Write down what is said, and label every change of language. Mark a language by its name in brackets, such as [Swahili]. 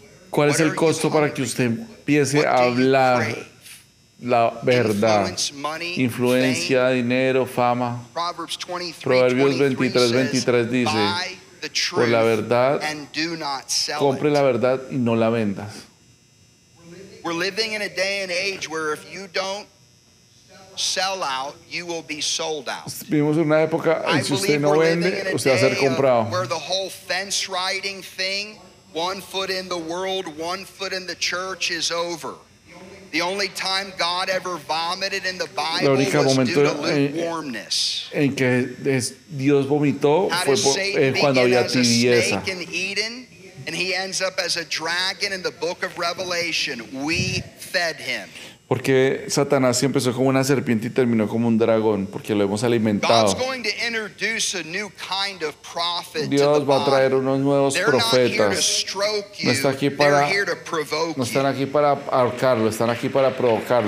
[Spanish] ¿Cuál es el costo para que usted empiece a hablar la verdad? Influencia, dinero, fama. Proverbios 23:23 dice: por la verdad, compre la verdad y no la vendas. [English] We're living in a day and age where if you don't sell out, you will be sold out. [Spanish] Vivimos en una época en que si usted no vende, usted va a ser comprado. [English] Where the whole fence riding thing, one foot in the world, one foot in the church, is over. The only time God ever vomited in the Bible was due to lukewarmness. [Spanish] En que Dios vomitó fue cuando había tibieza. [English] In Eden, and he ends up as a dragon in the book of Revelation. We fed him. [Spanish] Porque Satanás empezó como una serpiente y terminó como un dragón, porque lo hemos alimentado. Dios va a traer unos nuevos profetas. No está aquí para, no están aquí para ahorcarlo, están aquí para provocarlo.